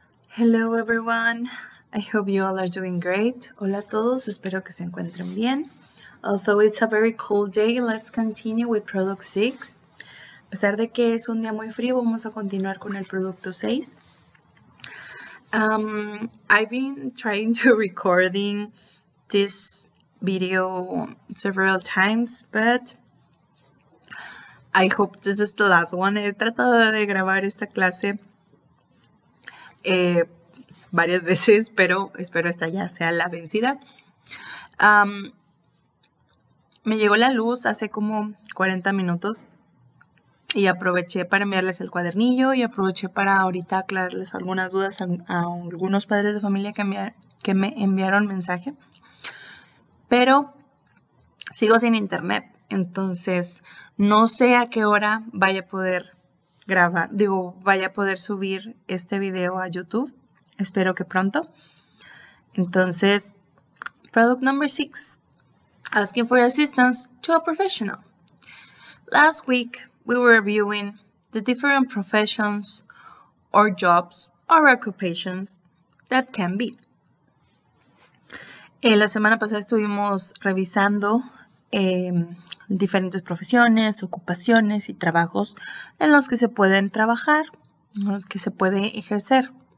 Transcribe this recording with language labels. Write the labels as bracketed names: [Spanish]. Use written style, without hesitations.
[English] Hello everyone, I hope you all are doing great. [Spanish] Hola a todos, espero que se encuentren bien. [English] Although it's a very cold day, let's continue with product 6. [Spanish] A pesar de que es un día muy frío, vamos a continuar con el producto 6. [English] I've been trying to recording this video several times, but I hope this is the last one. [Spanish] He tratado de grabar esta clase varias veces, pero espero esta ya sea la vencida. Me llegó la luz hace como 40 minutos y aproveché para enviarles el cuadernillo y aproveché para ahorita aclararles algunas dudas a algunos padres de familia que me enviaron mensaje. Pero sigo sin internet, entonces no sé a qué hora vaya a poder vaya a poder subir este video a YouTube. Espero que pronto. Entonces, [English] product number 6. Asking for assistance to a professional. Last week, we were reviewing the different professions or jobs or occupations that can be. [Spanish] En la semana pasada estuvimos revisando diferentes profesiones, ocupaciones y trabajos en los que se pueden trabajar, en los que se puede ejercer.